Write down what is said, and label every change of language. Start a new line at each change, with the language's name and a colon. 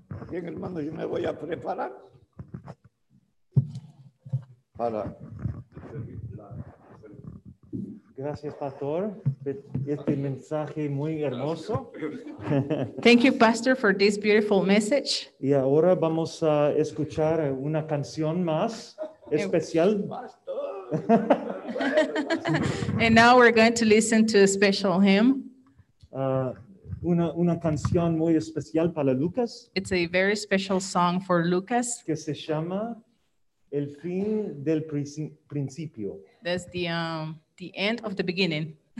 Spanish: Bien, hermanos, yo me voy a preparar para... Gracias, pastor. Este mensaje muy hermoso.
English: Thank you, pastor, for this beautiful message.
Spanish: Y ahora vamos a escuchar una canción más especial.
English: And now we're going to listen to a special hymn.
Spanish: Una canción muy especial para Lucas.
English: It's a very special song for Lucas.
Spanish: Que se llama El fin del principio.
English: That's the end of the beginning.